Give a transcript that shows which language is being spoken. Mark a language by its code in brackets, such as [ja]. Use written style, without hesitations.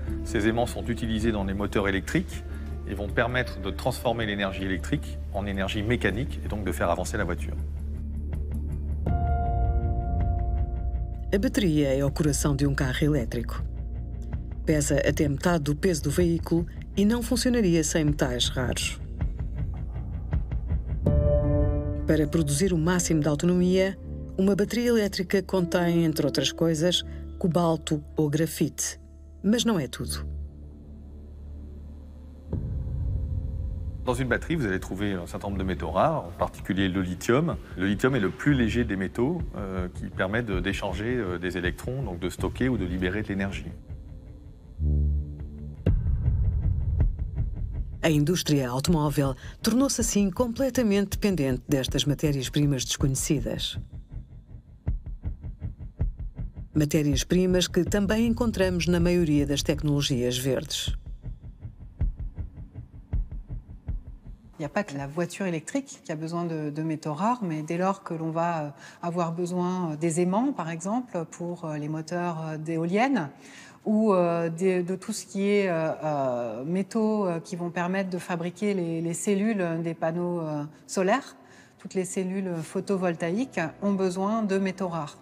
[fr] Ces aimants sont utilisés dans les moteurs électriques. Et vont permettre de transformer l'énergie électrique en énergie mécanique et donc de faire avancer la voiture. [pt] A bateria é o coração de um carro elétrico. Pesa até metade do peso do veículo e não funcionaria sem metais raros. Para produzir o máximo de autonomia, uma bateria elétrica contém, entre outras coisas, cobalto ou grafite. Mas não é tudo. [fr] Dans une batterie, vous allez trouver un certain nombre de métaux rares, en particulier le lithium. Le lithium est le plus léger des métaux qui permet d'échanger des électrons, donc de stocker ou de libérer de l'énergie. [pt] A indústria automóvel tornou-se assim completamente dependente destas matérias-primas desconhecidas. Matérias-primas que também encontramos na maioria das tecnologias verdes. [fr] Il n'y a pas que la voiture électrique qui a besoin de métaux rares, mais dès lors que l'on va avoir besoin des aimants, par exemple, pour les moteurs d'éoliennes, ou de tout ce qui est métaux qui vont permettre de fabriquer les cellules des panneaux solaires, toutes les cellules photovoltaïques ont besoin de métaux rares.